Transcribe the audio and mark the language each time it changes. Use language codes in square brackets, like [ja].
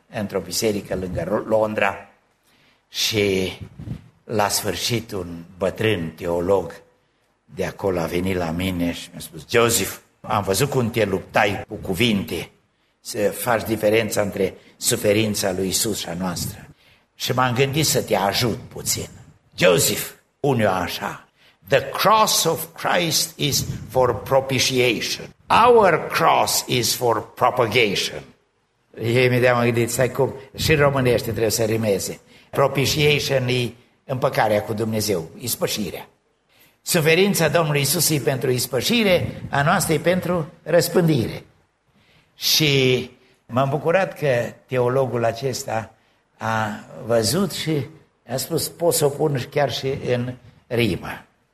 [ro] într-o biserică lângă Londra și la sfârșit un bătrân teolog de acolo a venit la mine și mi-a spus: Joseph, am văzut cum te luptai cu cuvinte să faci diferența între suferința lui Iisus și a noastră. Și m-am gândit să te ajut puțin. [en] Joseph, [ro] unul așa: [en] the cross of Christ is for propitiation. Our cross is for propagation. [ro] Ei mi-a dat gândit, stai cum, și românește trebuie să rimeze. Propitiation e împăcarea cu Dumnezeu, ispășirea. Suferința Domnului Iisus e pentru ispășire, a noastră e pentru răspândire. Și m-am bucurat că teologul acesta a văzut și a spus: pot să o pun chiar și în rimă.